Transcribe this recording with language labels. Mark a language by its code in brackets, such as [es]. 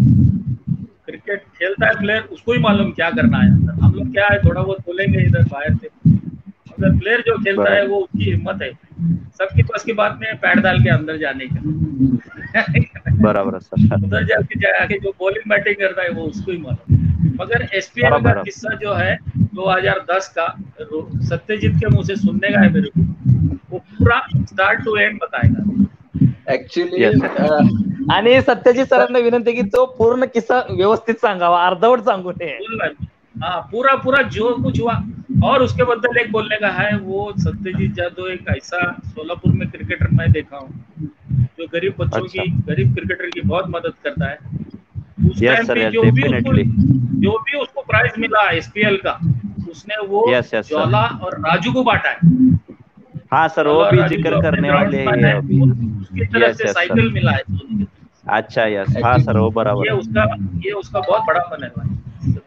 [hi] Cricket खेलता है player उसको ही मालूम क्या करना है, हम लोग क्या है थोड़ा बहुत बोलेंगे इधर बाहर से, मगर प्लेयर जो खेलता है वो उसकी हिम्मत है, सबके पास की बात नहीं है पैर डाल के अंदर जाने का, बराबर सर, उधर जाके जाके जो बॉलिंग बैटिंग करता है वो उसको ही मालूम, मगर एसपीएल का किस्सा जो है 2010 का सत्यजीत के मुंह से सुनने का है मेरे को, वो पूरा स्टार्ट टू एंड बताएगा। [en] actually [mr] आणि सत्यजीत सरांना विनंती की तो पूर्ण किस्सा व्यवस्थित सांगावा, अर्धवट सांगू नये, [hi] पूरा पूरा जो कुछ हुआ, और उसके बदल एक बोलने का है वो सत्यजीत जाधव एक ऐसा सोलापुर में क्रिकेटर मैं देखा हूँ जो गरीब बच्चों अच्छा। की गरीब क्रिकेटर की बहुत मदद करता है, [en] उस yes, sir, yes, [hi] जो भी उसको प्राइज मिला एसपीएल का उसने वो ज्वाला और राजू को बांटा है। हाँ सर, वो भी जिक्र करने वाले हैं अभी, उसकी तरफ से साइकिल मिला है। अच्छा यस, हाँ सर वो बराबर, ये उसका बहुत बड़ा फन है भाई।